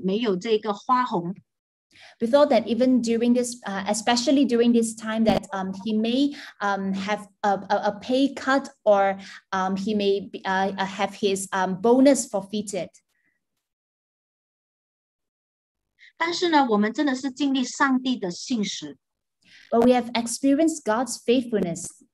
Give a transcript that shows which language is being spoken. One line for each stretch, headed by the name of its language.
Chinese: 我们也以为在这个疫情的当中可能会减薪或者是没有这个花红。We
English: thought that even during this, especially during this time, that he may have a pay cut or he may have his bonus forfeited.
Chinese: 但是呢，我们真的是经历上帝的信实。But
English: we have experienced God's faithfulness.